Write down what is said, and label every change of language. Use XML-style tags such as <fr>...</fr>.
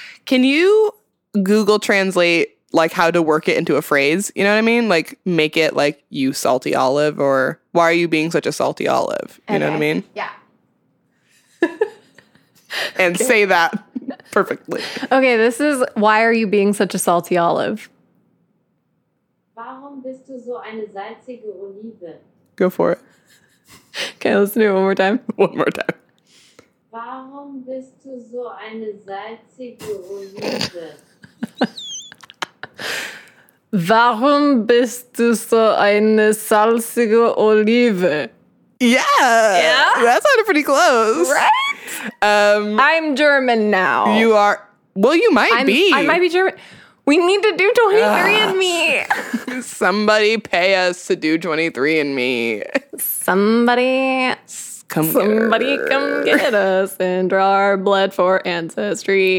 <en>Can you Google Translate like how to work it into a phrase? You know what I mean? Like make it like you salty olive or why are you being such a salty olive? You know what I mean? Yeah. And say that perfectly. Okay, this is why are you being such a salty olive?</en> <de>Warum bist du so eine salzige Olive?</de> <en>Go for it. Okay, let's do it one more time. One more time.</en> <de>Warum bist du so eine salzige Olive? Warum bist du so eine salzige Olive?</de> <en>Yeah. That sounded pretty close. Right? I'm German now. You are. Well, you might be. I might be German. We need to do 23andMe. Somebody pay us to do 23andMe. Somebody come get us and draw our blood for ancestry.</en>